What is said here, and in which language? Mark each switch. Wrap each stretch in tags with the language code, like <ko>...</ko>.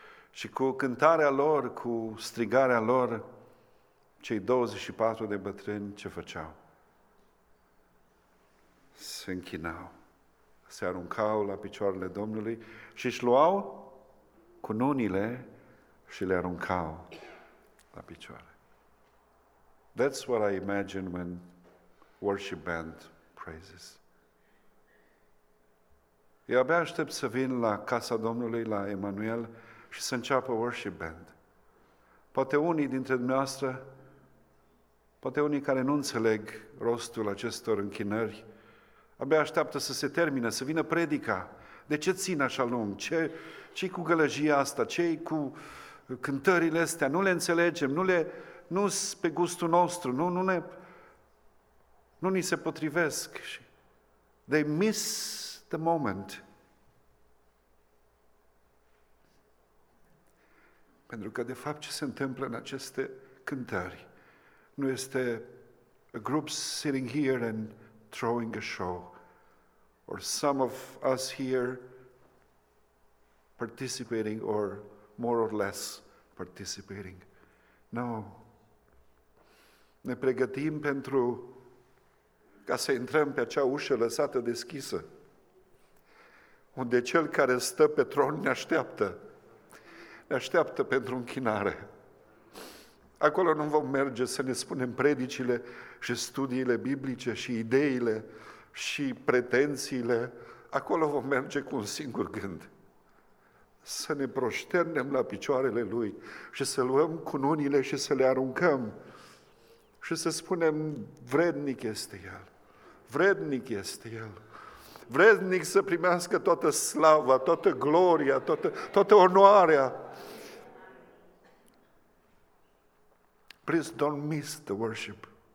<ro>Și cu cântarea lor, cu strigarea lor, cei 24 de bătrâni ce făceau? Se închinau. Se aruncau la picioarele Domnului și își luau cununile și le aruncau la picioare.</ro> <en>That's what I imagine when worship band praises.</en> <ro>Eu abia aștept să vin la casa Domnului, la Emanuel și să înceapă worship band. Poate unii dintre dumneavoastră, poate unii care nu înțeleg rostul acestor închinări, abia așteaptă să se termine, să vină predica. De ce țin așa lung? Ce-i cu gălăgia asta? Ce-i cu cântările astea? Nu le înțelegem, nu-s pe gustul nostru, nu ni se potrivesc.</ro> <en>They miss the moment.</en> <ro>Pentru că, de fapt, ce se întâmplă în aceste cântări? Nu este</ro> <en>a group sitting here and throwing a show. Or some of us here participating, or more or less participating. No.</en> <ro>ne pregătim pentru ca să intrăm pe acea ușă lăsată deschisă, unde Cel care stă pe tron ne așteaptă, ne așteaptă pentru închinare. Acolo nu vom merge să ne spunem predicile și studiile biblice și ideile și pretențiile, acolo vom merge cu un singur gând. Să ne proșternem la picioarele Lui și să luăm cununile și să le aruncăm și să spunem, vrednic este El, vrednic este El, vrednic să primească toată slava, toată gloria, toată onoarea.</ro> <en>Please don't miss the worship.</en>